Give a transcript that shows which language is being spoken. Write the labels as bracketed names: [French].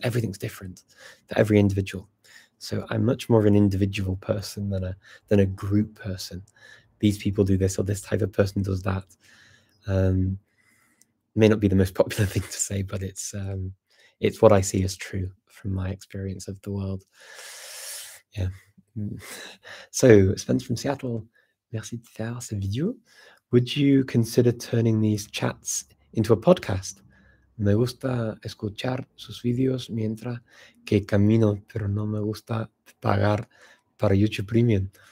[English] Everything's different for every individual. So I'm much more of an individual person than a group person, these people do this or this type of person does that. May not be the most popular thing to say, but it's what I see as true from my experience of the world. Yeah. So, Sven from Seattle, [French] merci de faire cette vidéo. [English] Would you consider turning these chats into a podcast? [Spanish] Me gusta escuchar sus videos mientras que camino, pero no me gusta pagar para YouTube Premium.